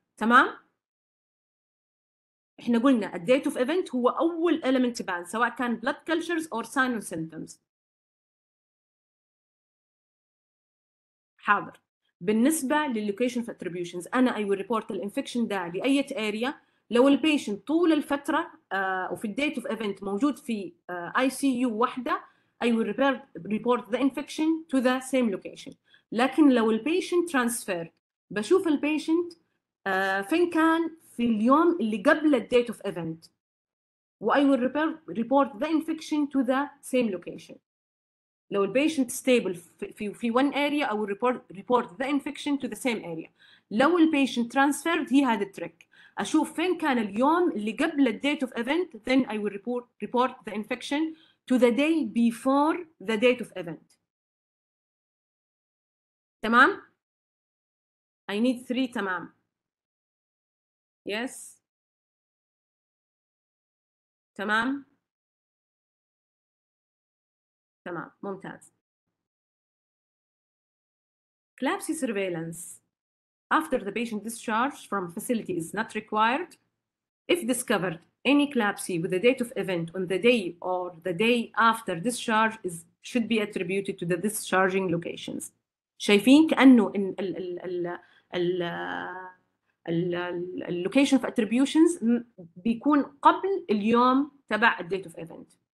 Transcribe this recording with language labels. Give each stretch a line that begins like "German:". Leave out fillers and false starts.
Arabic: تمام؟ احنا قلنا الـ
English: date of event
Arabic: هو أول
English: element
Arabic: تبان سواء كان
English: blood cultures or sign and symptoms.
Arabic: حاضر. بالنسبة للـ
English: location of attributions أنا I will report the infection
Arabic: ده لأية
English: area.
Arabic: لو الـ patient طول الفترة وفي الـ date of event موجود في ICU واحدة،
English: I will report the infection to the same location.
Arabic: لكن لو البيشنت ترانسفير بشوف البيشنت فين كان في اليوم اللي قبل الديت اوف ايفنت.
English: I will report the infection to the same location.
Arabic: لو البيشنت ستيبل في
English: one area I will report the infection to the same area.
Arabic: لو البيشنت ترانسفيرد هي هذا التريك. اشوف فين كان اليوم اللي قبل الديت اوف ايفنت
English: then I will report the infection to the day before the date of event.
Arabic: تمام؟
English: I need three
Arabic: تمام.
English: Yes.
Arabic: تمام؟ تمام، ممتاز.
English: CLABSI surveillance. After the patient discharge from facility is not required, if discovered any CLABSI with the date of event on the day or the day after discharge is should be attributed to the discharging locations.
Arabic: شايفين كأنه إن ال ال ال ال ال اللوكيشن في اتريبيوشنز بيكون قبل اليوم تبع الديت اوف ايفنت.